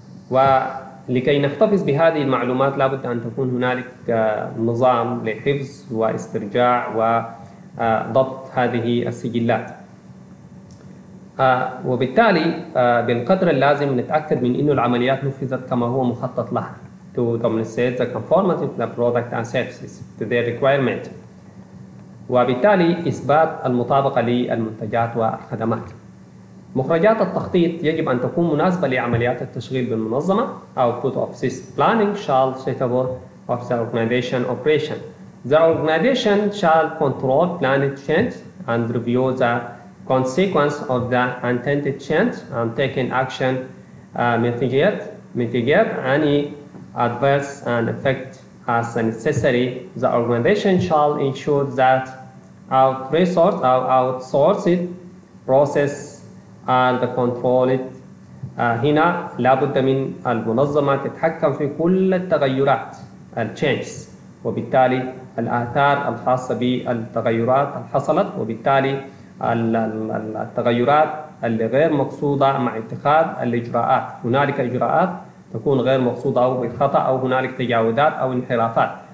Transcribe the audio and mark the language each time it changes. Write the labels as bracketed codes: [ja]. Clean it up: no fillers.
[ar] و لكي نحتفظ بهذه المعلومات لابد أن تكون هنالك نظام لحفظ واسترجاع وضبط هذه السجلات، وبالتالي بالقدر اللازم نتأكد من أن العمليات نفذت كما هو مخطط لها [en] to demonstrate the conformity of the product and services to their requirement، [ar] وبالتالي إثبات المطابقة للمنتجات والخدمات. مخرجات التخطيط يجب أن تكون مناسبة لعمليات التشغيل بالمنظمة. [en] Output of this planning shall suitable of the organization operation. The organization shall control planned change and review the consequence of the intended change and taking action mitigate any adverse and effect as necessary. The organization shall ensure that outsourced process and the control it. [ar] هنا لابد من المنظمة تتحكم في كل التغيرات changes وبالتالي الآثار الخاصة بالتغيرات حصلت، وبالتالي التغيرات اللي غير مقصودة مع اتخاذ الإجراءات، هنالك إجراءات تكون غير مقصودة أو بالخطأ أو هنالك تجاوزات أو انحرافات،